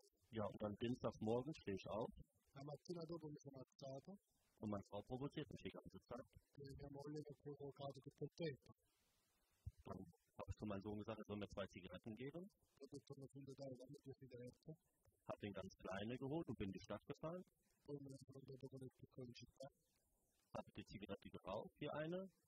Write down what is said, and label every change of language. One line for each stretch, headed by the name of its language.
German: Ja, und dann Dienstagmorgen stehe ich auf.
Italian: La mattina dopo mi sono alzato.
German: Und mein Frau provoziert mich die ganze Zeit. Dann habe ich zu meinem Sohn gesagt, er soll mir zwei Zigaretten geben. Habe den ganz kleinen geholt und bin in die Stadt gefahren. Habe die Zigarette geraucht, hier eine.